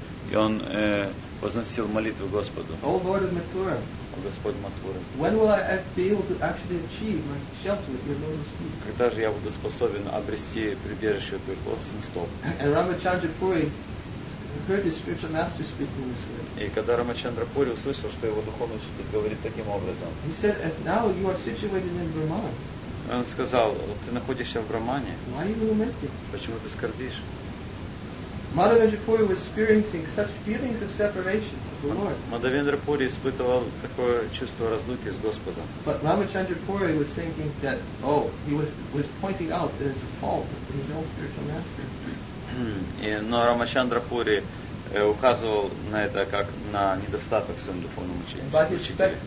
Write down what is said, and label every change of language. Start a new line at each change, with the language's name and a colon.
Russian: И он возносил молитву Господу.
English: О Lord of Mathura,
Russian: Господь Матура.
English: When will I be able to actually achieve my shelter at your lotus feet?
Russian: Когда же я буду способен обрести прибежище от твоих лотосных стоп?
English: And Рамачандра Пури heard his spiritual master speaking this way.
Russian: И когда Рамачандра Пури услышал, что его духовный учитель говорит таким образом,
English: he said, "And now you are situated in Brahman."
Russian: Он сказал, ты находишься в Брамане.
English: Why are you lamenting?
Russian: Почему ты скорбишь?
English: Madhavendra Puri was experiencing such feelings of separation from the Lord.
Russian: Madhavendra Puri испытывал такое чувство разлуки с Господом.
English: But Ramachandra Puri was thinking that, oh, he was pointing out that it's a fault in his own spiritual master.
Russian: Но Рамачандра Пури указывал на это как на недостаток в своем духовном учении.